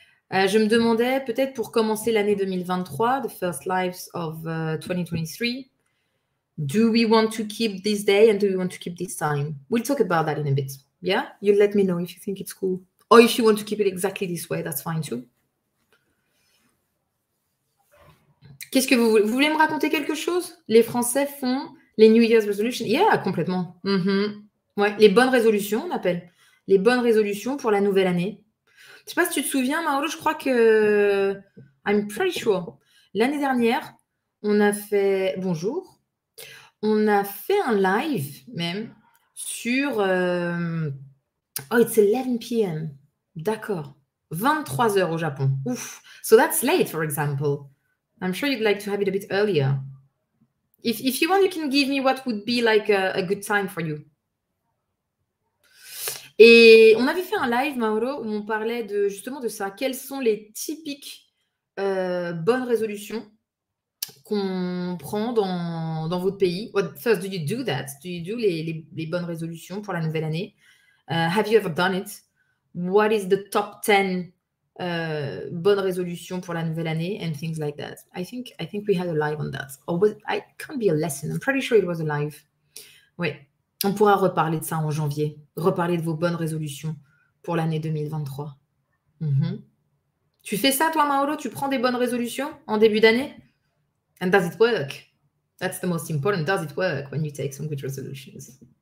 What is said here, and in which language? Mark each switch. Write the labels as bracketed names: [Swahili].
[French] Je me demandais peut-être pour commencer l'année 2023, [English] the first lives of 2023, do we want to keep this day and do we want to keep this time? We'll talk about that in a bit. Yeah, you let me know if you think it's cool. Or if you want to keep it exactly this way, that's fine too. [French] Qu'est-ce que vous voulez me raconter quelque chose? Les Français font les New Year's Resolutions. Yeah, complètement. Mm-hmm. Ouais, les bonnes résolutions, on appelle. Les bonnes résolutions pour la nouvelle année. Je ne sais pas si tu te souviens, Mauro, je crois que... [English] I'm pretty sure. [French] L'année dernière, on a fait... Bonjour. On a fait un live, même, sur... [English] Oh, it's 11 p.m. [French] D'accord. 23 heures au Japon. Ouf. [English] So that's late, for example. I'm sure you'd like to have it a bit earlier. If you want, you can give me what would be like a good time for you. [French] Et on avait fait un live, Mauro, où on parlait de justement de ça. Quelles sont les typiques bonnes résolutions qu'on prend dans votre pays? [English] What, first, do you do that? Do you do [French] les bonnes résolutions pour la nouvelle année? [English] Have you ever done it? What is the top 10 [French] bonnes résolutions pour la nouvelle année? [English] And things like that. I think we had a live on that. Or was, I can't be a lesson. I'm pretty sure it was a live. Oui. [French] On pourra reparler de ça en janvier, reparler de vos bonnes résolutions pour l'année 2023. Tu fais ça, toi, Mauro? Tu prends des bonnes résolutions en début d'année? [English] And does it work? That's the most important. Does it work when you take some good resolutions?